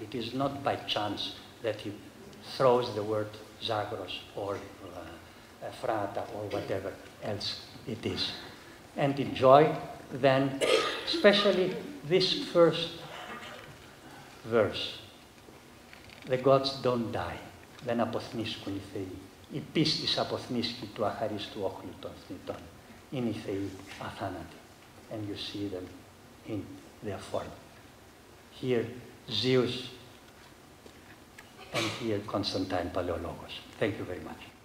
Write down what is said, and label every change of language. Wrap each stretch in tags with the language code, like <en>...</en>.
<en>It is not by chance that he throws the word Zagros or Frata or whatever else it is. And enjoy then, especially this first verse. The gods don't die.</en> <el>Then αποθνίσκουν οι θεοί. Η πίστης αποθνίσκει του αχαρίστου όχλου των θνητών. Είναι οι θεοί αθάνατοι.</el> <en>And you see them in their form. Here, Zeus, and here, Constantine Paleologos. Thank you very much.</en>